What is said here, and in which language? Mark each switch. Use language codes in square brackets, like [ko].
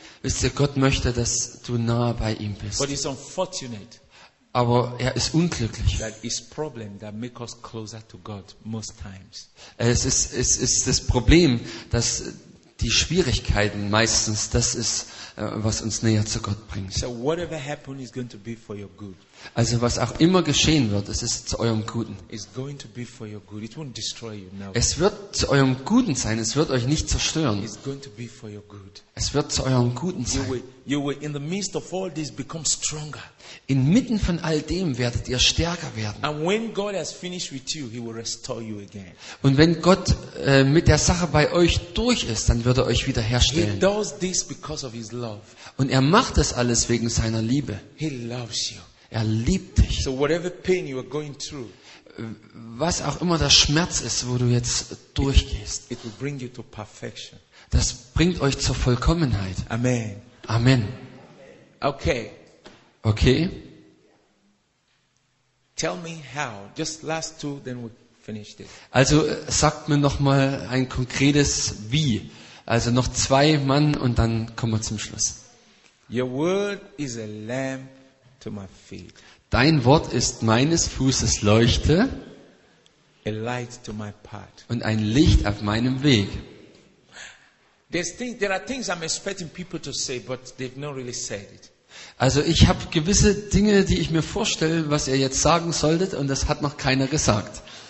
[de] Wisst ihr, Gott möchte, dass du nahe bei ihm bist. [en] But it's unfortunate. [de] Aber er ist unglücklich. [en] That is problem that make us closer to God most times. [de] Es ist das Problem, dass die Schwierigkeiten meistens das ist, was uns näher zu Gott bringt. [en] So whatever happens is going to be for your good. [de] Also was auch immer geschehen wird, es ist zu eurem Guten. [en] It's going to be for your good. It won't destroy you now. [de] Es wird zu eurem Guten sein, es wird euch nicht zerstören. [en] It's going to be for your good. [de] Es wird zu eurem Guten sein. [en] You will in the midst of all this become stronger. [de] Inmitten von all dem werdet ihr stärker werden. [en] And when God has finished with you, he will restore you again. [de] Und wenn Gott mit der Sache bei euch durch ist, dann wird er euch wiederherstellen. [en] He does this because of his love. [de] Und er macht das alles wegen seiner Liebe. [en] He loves you. [de] Er liebt dich. [en] So whatever pain you are going through, [de] was auch immer der Schmerz ist, wo du jetzt durchgehst, [en] it will bring you to perfection. [de] Das bringt euch zur Vollkommenheit. [en] Amen. [de] Amen. [en] Okay. [de] Okay. [en] Tell me how. Just last two, then we finish this. [de] Also sagt mir noch mal ein konkretes Wie. Also noch zwei Mann und dann kommen wir zum Schluss. [en] Your word is a lamp. To my feet. [de] Dein Wort ist meines Fußes Leuchte, [en] a light to my path. [de] Und ein Licht auf meinem Weg. [en] There are things I'm expecting people to say, but they've not really said it. [de] Also ich habe gewisse Dinge, die ich mir vorstelle, was ihr jetzt sagen solltet, und das hat noch keiner gesagt.